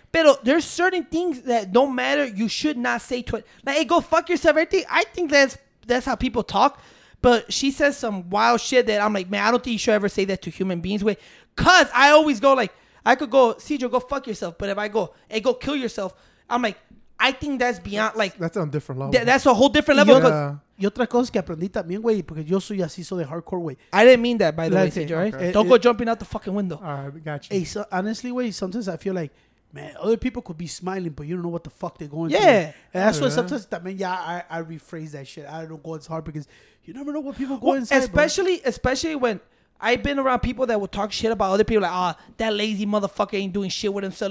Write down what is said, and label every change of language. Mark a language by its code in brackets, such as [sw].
[en] But there's certain things that don't matter. You should not say to it. Like, hey, go fuck yourself. Everything. I think that's how people talk. But she says some wild shit that I'm like, man, I don't think you should ever say that to human beings. Wait, because I always go like, I could go, CJ, go fuck yourself. But if I go, hey, go kill yourself, I'm like, I think that's beyond, that's, like, that's on a different level. That's a whole different level. Yeah. [es] Y otra cosa que aprendí también, güey, porque yo soy así, soy de hardcore, güey. [en] I didn't mean that, by the way, CJ, right? Okay. Don't go jumping out the fucking window. All right, got you. Hey, so honestly, güey, sometimes I feel like, man, other people could be smiling, but you don't know what the fuck they're going through. And that's why sometimes, [es] también, [en] yeah, I rephrase that shit. I don't go as hard because you never know what people go inside. Especially when I've been around people that will talk shit about other people, like, oh, that lazy motherfucker ain't doing shit with himself.